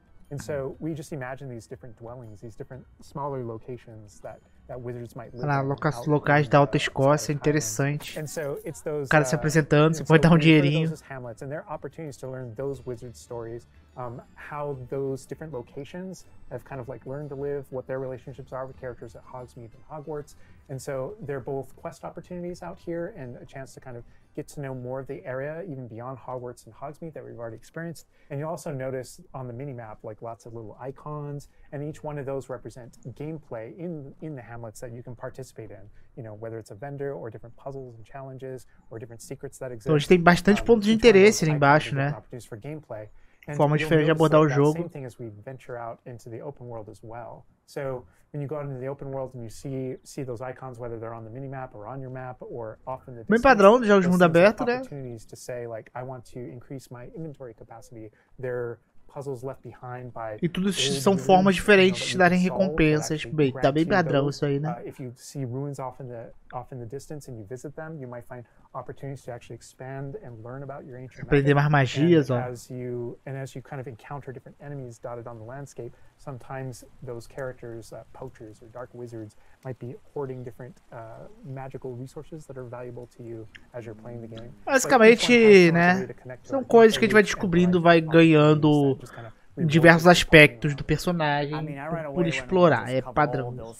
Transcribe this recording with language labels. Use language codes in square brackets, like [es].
[en] And so we just imagine these different dwellings, these different smaller locations that wizards might live. [pt] Locais da Alta Escócia, interessante. O cara se apresentando, você pode dar um dinheirinho. [en] And there are opportunities to learn those wizard stories, how those different locations have kind of like learned to live, what their relationships are with characters at Hogsmeade and Hogwarts. And so they're both quest opportunities out here and a chance to kind of get to know more of the area, even beyond Hogwarts and Hogsmeade that we've already experienced. And you'll also notice on the mini-map, like lots of little icons, and each one of those represent gameplay in the hamlets that you can participate in. You know, whether it's a vendor or different puzzles and challenges or different secrets that exist. [pt] Então, a gente tem bastante pontos de interesse ali embaixo, né? [en] Opportunities for gameplay. [pt] Forma diferente de abordar o jogo. [en] Same thing as we venture out into the open world as well. So when you go out into the open world and you see those icons, whether they're on the minimap or on your map or off in the [pt] distance, padrão de jogos mundo aberto, né? [en] Opportunities to say like I want to increase my inventory capacity. There are puzzles left behind by. [pt] E tudo isso são formas diferentes de darem recompensas. Bem, tá bem padrão isso aí, né? [en] If you see ruins off in the distance and you visit them, you might find opportunities to actually expand and learn about your ancient [pt] aprender mais magias, ó. [en] As you kind of encounter different enemies dotted on the landscape, sometimes those characters, poachers or dark wizards, might be hoarding different magical resources that are valuable to you as you're playing the game. [pt] Basicamente, né? São coisas que a gente vai descobrindo, vai ganhando diversos aspectos do personagem por explorar, é padrão.